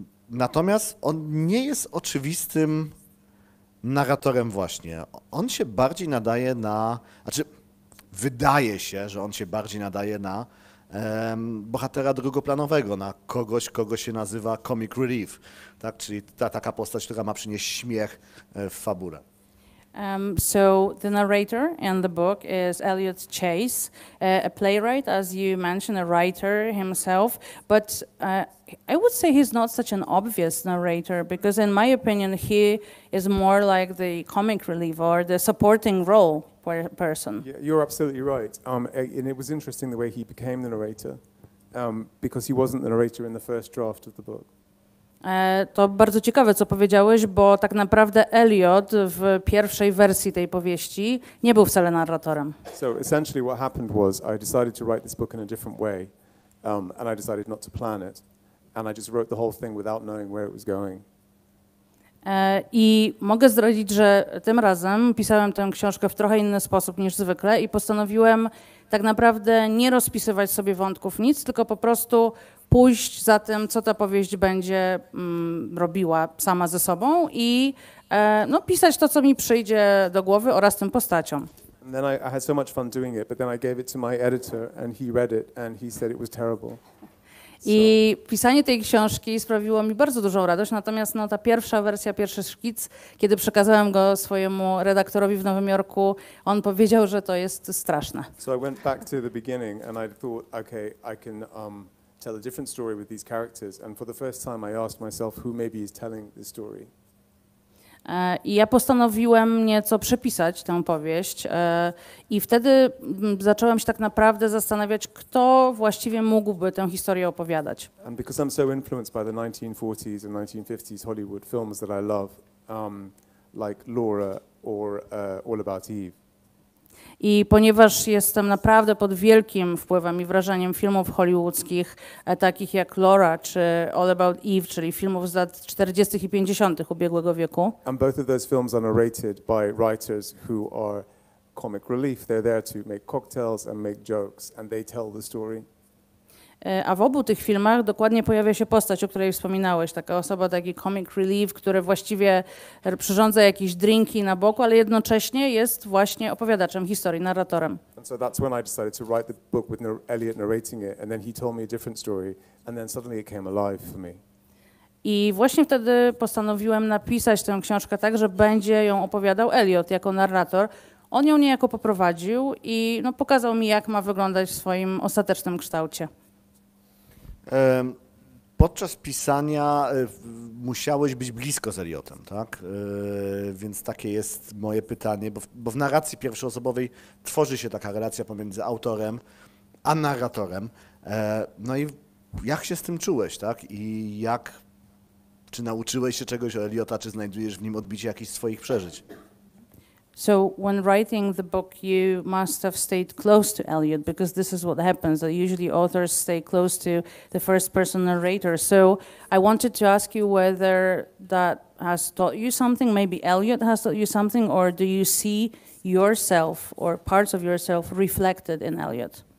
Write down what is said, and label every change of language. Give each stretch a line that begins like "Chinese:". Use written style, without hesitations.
Polish: Natomiast on nie jest oczywistym narratorem właśnie. On się bardziej nadaje na, znaczy wydaje się, że on się bardziej nadaje na bohatera drugoplanowego, na kogoś, kogo się nazywa comic relief, tak? Czyli taka postać, która ma przynieść śmiech w fabule.
English: So the narrator in the book is Eliot Chase, a playwright, as you mentioned, a writer himself, but I would say he's not such an obvious narrator, because in my opinion he is more like the comic relief or the supporting role person. Yeah, you're absolutely right. And it was interesting the way he became the narrator, because he wasn't the narrator in the first draft of the book.
Polish: To bardzo ciekawe, co powiedziałeś, bo tak naprawdę Eliot w pierwszej wersji tej powieści nie był wcale narratorem.
English: So essentially what happened was I decided to write this book in a different way, and I decided not to plan it, and I just wrote the whole thing without knowing where it was going.
Polish: I mogę zdradzić, że tym razem pisałem tę książkę w trochę inny sposób niż zwykle i postanowiłem tak naprawdę nie rozpisywać sobie wątków nic, tylko po prostu pójść za tym, co ta powieść będzie robiła sama ze sobą i no, pisać to, co mi przyjdzie do głowy oraz tym postaciom.
English: And then I had so much fun doing it, but then I gave it to my editor and he read it and he said it was terrible.
Polish: I pisanie tej książki sprawiło mi bardzo dużą radość, natomiast no, ta pierwsza wersja, pierwszy szkic, kiedy przekazałem go swojemu redaktorowi w Nowym Jorku, on powiedział, że to jest straszne.
English: So I went back to the beginning and I thought, okay, I can tell a different story with these characters, and for the first time I asked myself who maybe is telling the story.
Polish: I ja postanowiłem nieco przepisać tę powieść i wtedy zacząłem się tak naprawdę zastanawiać, kto właściwie mógłby tę historię opowiadać.
English: And because I'm so influenced by the 1940s and 1950s Hollywood films that I love, like Laura or All About Eve.
Polish: I ponieważ jestem naprawdę pod wielkim wpływem i wrażeniem filmów hollywoodzkich, takich jak Laura czy All About Eve, czyli filmów z lat 40. i 50. ubiegłego wieku.
English: And both of those films are narrated by writers who are comic relief. They're there to make cocktails and make jokes, and they tell the story.
Polish: A w obu tych filmach dokładnie pojawia się postać, o której wspominałeś. Taka osoba, taki comic relief, który właściwie przyrządza jakieś drinki na boku, ale jednocześnie jest właśnie opowiadaczem historii, narratorem.
English: And so that's when I decided to write the book with Elliot narrating it, and then he told me a different story, and then suddenly it came alive for me.
Polish: I właśnie wtedy postanowiłem napisać tę książkę tak, że będzie ją opowiadał Elliot jako narrator. On ją niejako poprowadził i no, pokazał mi, jak ma wyglądać w swoim ostatecznym kształcie. Podczas pisania musiałeś być blisko z Elliotem, tak? Więc takie jest moje pytanie, bo w narracji pierwszoosobowej tworzy się taka relacja pomiędzy autorem a narratorem. No i jak się z tym czułeś, tak? I jak, czy nauczyłeś się czegoś o Elliota, czy znajdujesz w nim odbicie jakichś swoich przeżyć?
English: So when writing the book, you must have stayed close to Elliot, because this is what happens, that usually authors stay close to the first person narrator. So I wanted to ask you whether that has taught you something, maybe Elliot has taught you something, or do you see yourself or parts of yourself reflected in Elliot?